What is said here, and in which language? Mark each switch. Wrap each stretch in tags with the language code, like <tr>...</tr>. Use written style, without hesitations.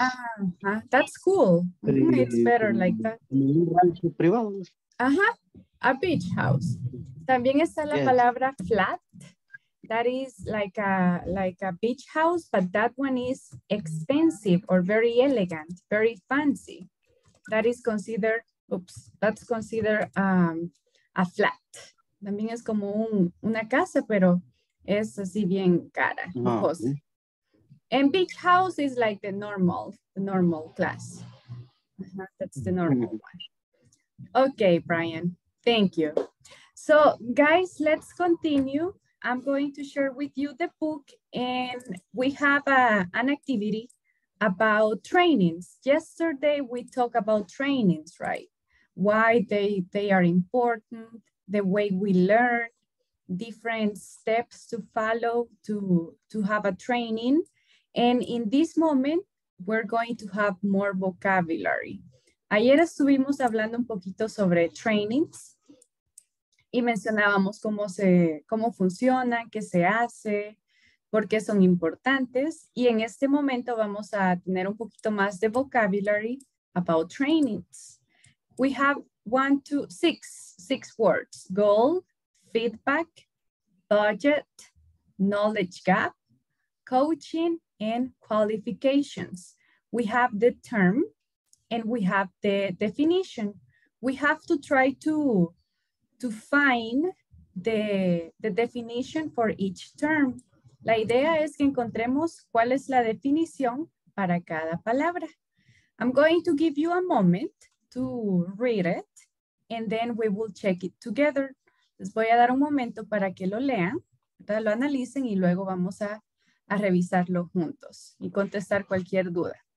<en>Uh-huh. That's cool. It's better like that. Uh-huh. A beach house.</en> <es>También está la palabra flat.</es> <en>That is like a beach house, but that one is expensive or very elegant, very fancy. That is considered, that's considered a flat.</en> <es>También es como una casa, pero es así bien cara. Oh,</es> <en>okay. And beach house is like the normal class. That's the normal one. Okay, Brian, thank you. So guys, let's continue. I'm going to share with you the book, and we have an activity about trainings. Yesterday, we talked about trainings, right? Why they are important, the way we learn, different steps to follow to have a training. And in this moment, we're going to have more vocabulary.</en> <es>Ayer estuvimos hablando un poquito sobre trainings. Y mencionábamos cómo funcionan, qué se hace, por qué son importantes. Y en este momento vamos a tener un poquito más de</es> <en>vocabulary about trainings. We have six words. Goal, feedback, budget, knowledge gap, coaching, and qualifications. We have the term and we have the definition. We have to try to find the definition for each term.</en> <es>La idea es que encontremos cuál es la definición para cada palabra.</es> <en>I'm going to give you a moment to read it, and then we will check it together.</en> <es>Les voy a dar un momento para que lo lean, lo analicen, y luego vamos a revisarlo juntos y contestar cualquier duda.</es>